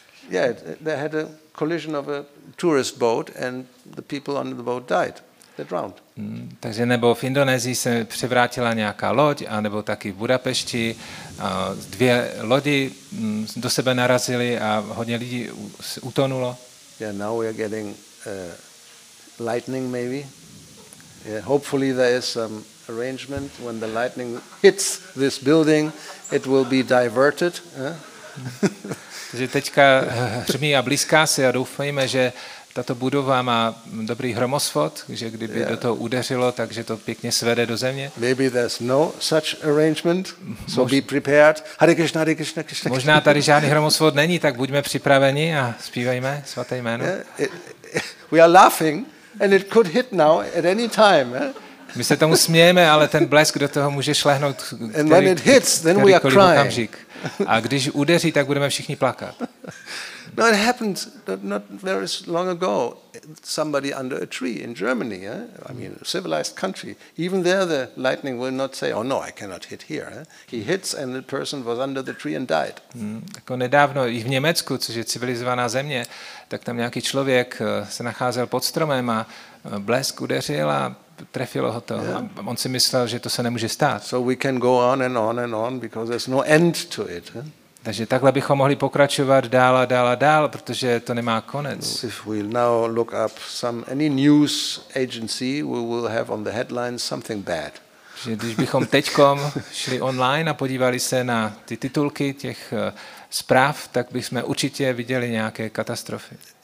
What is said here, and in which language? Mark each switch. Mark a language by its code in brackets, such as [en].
[en] Yeah, they had a collision of a tourist boat and the people on the boat died. They drowned. [cs] Takže nebo v Indonésii se převrátila nějaká loď, a nebo taky v Budapešti dvě lodi do sebe narazily a hodně lidí utonulo. [en] Yeah, now we are getting lightning maybe. Yeah, hopefully there is some arrangement, when the lightning hits this building, it will be diverted. [cs] Takže teďka hřmí a blízká se a doufejme, že tato budova má dobrý hromosvod, že kdyby do toho udeřilo, takže to pěkně svede do země. [en] Maybe there's no such arrangement, so be prepared. [sa] Hare Krishna, Hare Krishna, Krishna Krishna. [cs] Možná tady žádný hromosvod není, tak buďme připraveni a zpívejme svaté jméno. [en] We are laughing and it could hit now at any time. [cs] My se tomu smějeme, ale ten blesk do toho může šlehnout kterýkoliv okamžik. A když udeří, tak budeme všichni plakat. [en] No, it happened not very long ago. Somebody under a tree in Germany, a civilized country. Even there, the lightning will not say, "Oh no, I cannot hit here." He hits, and the person was under the tree and died. [cs] Jako nedávno i v Německu, což je civilizovaná země, tak tam nějaký člověk se nacházel pod stromem a blesk udeřil a trefilo ho to. Yeah. A on si myslel, že to se nemůže stát. [en] So we can go on and on and on because there's no end to it. [cs] Takže takhle bychom mohli pokračovat dál a dál a dál, protože to nemá konec. [en] If we now look up any news agency, we will have on the headlines something bad. [cs] Že když bychom teďkom šli online a podívali se na ty titulky těch zpráv, tak bychom určitě viděli nějaké katastrofy.